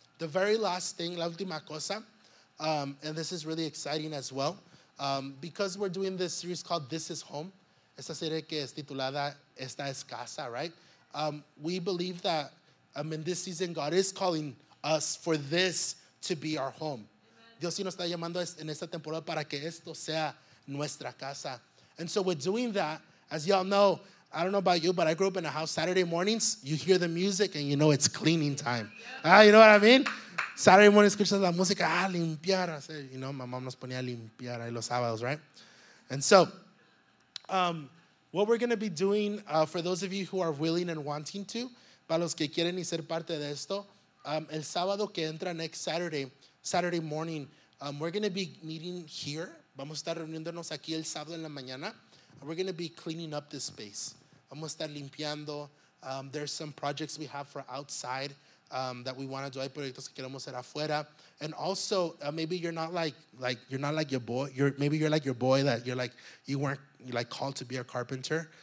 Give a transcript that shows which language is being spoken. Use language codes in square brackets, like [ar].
[en] The very last thing, [es] la última cosa, [en] and this is really exciting as well, because we're doing this series called This Is Home, [es] esta serie que es titulada Esta Es Casa, [en] right? We believe that in this season, God is calling us for this to be our home. Amen. [es] Dios sí nos está llamando en esta temporada para que esto sea nuestra casa. [en] And so with doing that, as y'all know, I don't know about you, but I grew up in a house. Saturday mornings, you hear the music and you know it's cleaning time. Yeah. You know what I mean? Saturday mornings, [es] escuchas la música, limpiar. [en] You know, my mom [es] nos ponía a limpiar ahí los sábados, [en] right? And so what we're going to be doing, for those of you who are willing and wanting to, [es] para los que quieren y ser parte de esto, el sábado que entra, [en] next Saturday, Saturday morning, we're going to be meeting here. [es] Vamos a estar reuniéndonos aquí el sábado en la mañana. [en] We're going to be cleaning up this space. [es] Vamos a estar limpiando. [en] There's some projects we have for outside that we want to do. [es] Hay proyectos que queremos hacer afuera. [en] And also, maybe you're not like you're not like your boy. Maybe you're like your boy that you're like, you weren't like called to be a carpenter.